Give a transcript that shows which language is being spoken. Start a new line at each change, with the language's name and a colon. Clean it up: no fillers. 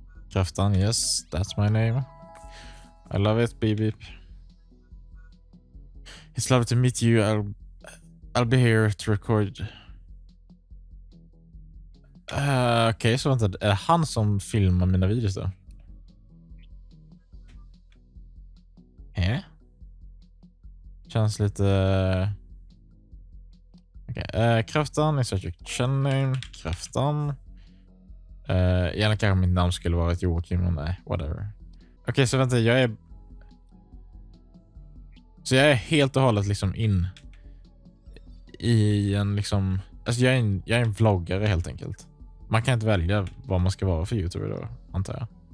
English: Kraftan, yes, that's my name. I love it, beep beep. It's lovely to meet you, I'll be here to record.
Swedish: Okej, okay, så vänta, är det han som filmar mina videos då?
English: Yeah.
Swedish: Känns lite.
English: Okej, okay, Kraftan, is that your channel name? Kraftan.
Swedish: Gärna kanske mitt namn skulle vara ett Joakim, men nej, whatever. Okej, okay, så vänta, jag är. Så jag är helt och hållet liksom in i en liksom. Alltså jag är en vloggare helt enkelt. Man kan inte välja vad man ska vara för YouTuber då, antar jag.